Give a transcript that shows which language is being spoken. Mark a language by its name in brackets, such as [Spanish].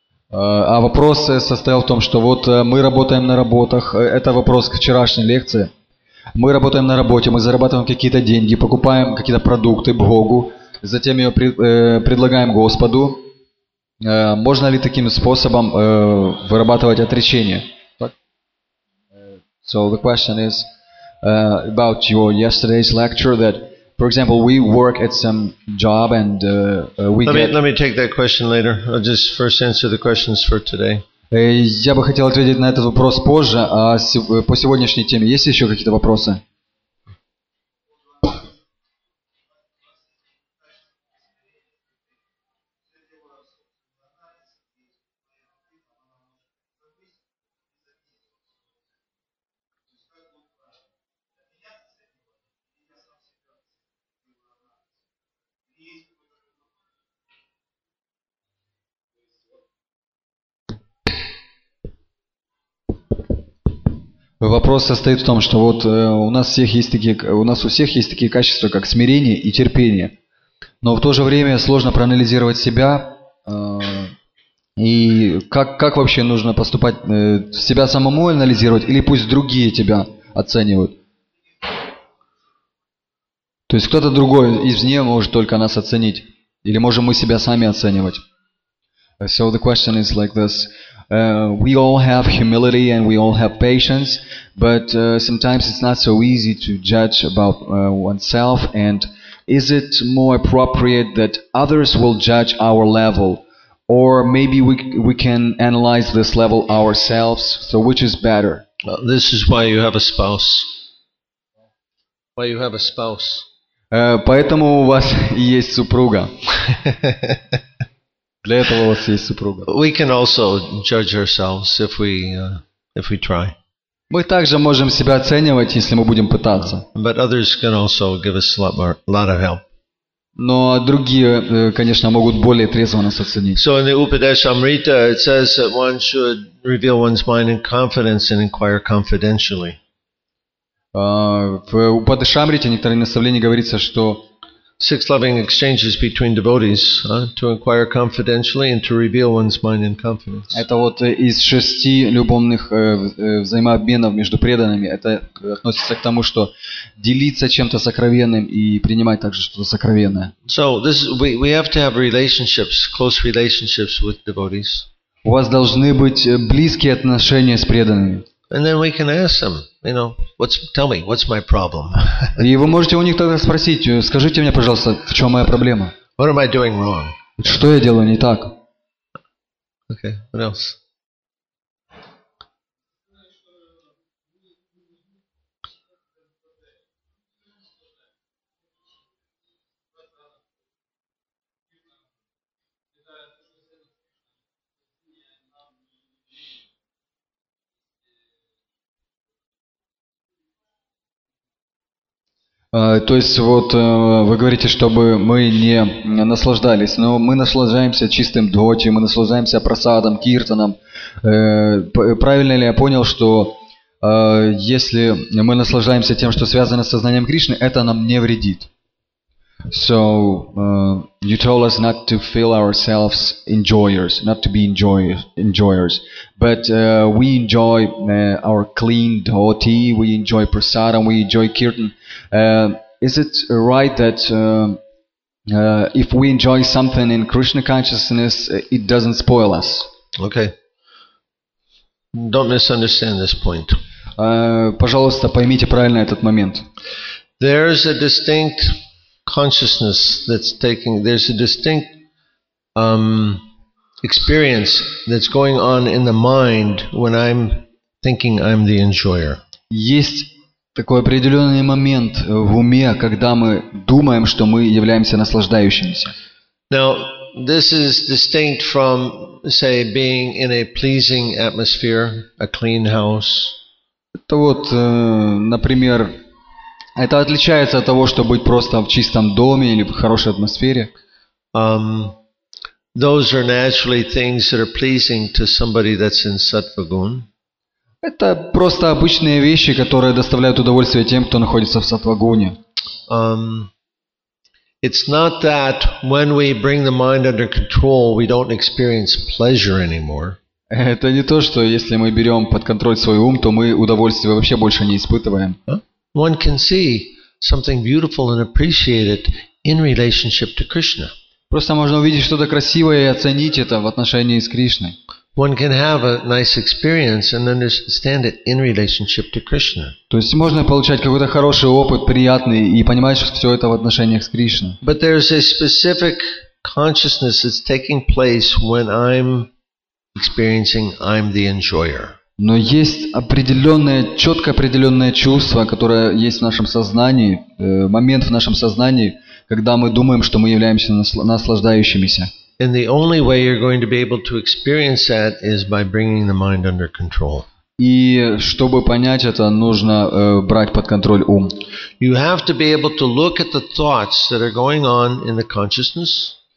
[Russian] А вопрос состоял в том, что вот мы работаем на работах, это вопрос к вчерашней лекции. Мы работаем на работе, мы зарабатываем какие-то деньги, покупаем какие-то продукты Богу, затем ее предлагаем Господу. Можно ли таким способом вырабатывать отречение? [English] So the question is about your yesterday's lecture that, for example, we work at some job and Let me take that question later. I'll just first answer the questions for today. [Russian] Я бы хотел ответить на этот вопрос позже, а по сегодняшней теме есть еще какие-то вопросы? Вопрос состоит в том, что вот у нас у всех есть такие качества, как смирение и терпение. Но в то же время сложно проанализировать себя, И как вообще нужно поступать? Себя самому анализировать или пусть другие тебя оценивают? То есть кто-то другой извне может только нас оценить? Или можем мы себя сами оценивать? [English] So the question is like this. We all have humility and we all have patience, but sometimes it's not so easy to judge about oneself. And is it more appropriate that others will judge our level? Or maybe we can analyze this level ourselves. So which is better? This is why you have a spouse. Why you have a spouse. [Russian] Поэтому у вас есть супруга. Для этого у вас есть супруга. [English] We can also judge ourselves if we try. [Russian] Мы также можем себя оценивать, если мы будем пытаться. [English] But others can also give us a lot of help. [Russian] Но другие, конечно, могут более трезво нас оценить. [English] So in the Upadeshamrita it says that one should reveal one's mind in confidence and inquire confidentially. [Russian] В Упадешамрите некоторые наставления говорится, что [English] six loving exchanges between devotees to inquire confidentially and to reveal one's mind in confidence. [Russian] Это вот из шести любовных взаимообменов между преданными. Это относится к тому, что делиться чем-то сокровенным и принимать также что-то сокровенное. [English] So this we have to have relationships, close relationships with devotees. [Russian] У вас должны быть близкие отношения с преданными. [English] And then we can ask them, you know, tell me, what's my problem? [Russian] И вы можете у них тогда спросить, скажите мне, пожалуйста, в чем моя проблема? [English] What am I doing wrong? [Russian] Что я делаю не так? [English] Okay, what else? [Russian] То есть вот вы говорите, чтобы мы не наслаждались, но мы наслаждаемся чистым доти, мы наслаждаемся прасадом, киртаном. Правильно ли я понял, что если мы наслаждаемся тем, что связано с сознанием Кришны, это нам не вредит? [English] So you told us not to feel ourselves enjoyers, not to be enjoyers, but we enjoy our clean dhoti, we enjoy prasadam, we enjoy kirtan. Is it right that if we enjoy something in Krishna consciousness, it doesn't spoil us? Okay. Don't misunderstand this point. [Russian] Пожалуйста, поймите правильно этот момент. [English] There's a distinct consciousness that's taking, there's a distinct experience that's going on in the mind when I'm thinking I'm the enjoyer. [Russian] Есть такой определенный момент в уме, когда мы думаем, что мы являемся наслаждающимися. [English] Now, this is distinct from, say, being in a pleasing atmosphere, a clean house. [Russian] Это вот, например, это отличается от того, что быть просто в чистом доме или в хорошей атмосфере. [English] Those are naturally things that are pleasing to somebody that's in sattva-gun. [Russian] Это просто обычные вещи, которые доставляют удовольствие тем, кто находится в сатвагуне. [English] It's not that when we bring the mind under control, we don't experience pleasure anymore. [Russian] Это не то, что если мы берем под контроль свой ум, то мы удовольствие вообще больше не испытываем. [English] One can see something beautiful and appreciate it in relationship to Krishna. [Russian] Просто можно увидеть что-то красивое и оценить это в отношении с Кришной. [English] One can have a nice experience and understand it in relationship to Krishna. [Russian] То есть можно получать какой-то хороший опыт, приятный, и понимать, что все это в отношениях с Кришной. [English] But there's a specific consciousness that's taking place when I'm experiencing I'm the enjoyer. [Russian] Но есть определенное, четко определенное чувство, которое есть в нашем сознании, момент в нашем сознании, когда мы думаем, что мы являемся наслаждающимися. [English] And the only way you're going to be able to experience that is by bringing the mind under control. [Russian] И чтобы понять это, нужно брать под контроль ум. [English] You have to be able to look at the thoughts that are going on in the consciousness.